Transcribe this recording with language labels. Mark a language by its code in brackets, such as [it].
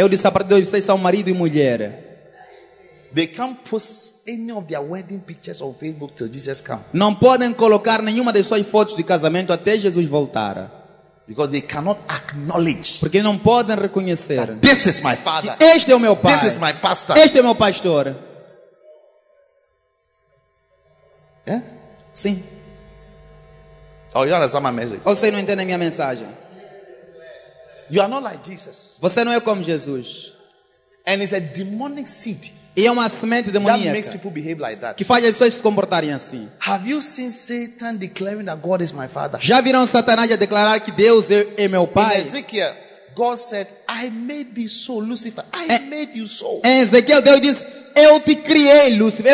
[pt] Eu disse a partir de hoje vocês são marido e mulher. [en] They can't post any of their wedding pictures on Facebook till Jesus comes. [pt] Não podem colocar nenhuma das suas fotos de casamento até Jesus voltar. [en] Because they cannot acknowledge. [pt] Porque não podem reconhecer. [en] That this is my father. [pt] Este é o meu pai. [en] This is my pastor. [pt] Este é o meu pastor. É? Sim. [en] Oh, you understand my message? [pt] Você não entende a minha mensagem? [en] You are not like Jesus. [pt] Você não é como Jesus. [en] And it's a demonic seed. [pt] E é uma semente demoníaca. [en] That makes people behave like that. [pt] Que faz as pessoas se comportarem assim. [en] Have you seen Satan declaring that God is my father? [pt] Já viram Satanás a declarar que Deus é meu pai? [en] In Ezekiel, God said, I made thee so, Lucifer. Made you so. [pt] Em Ezequiel, Deus diz, eu te criei, Lucifer.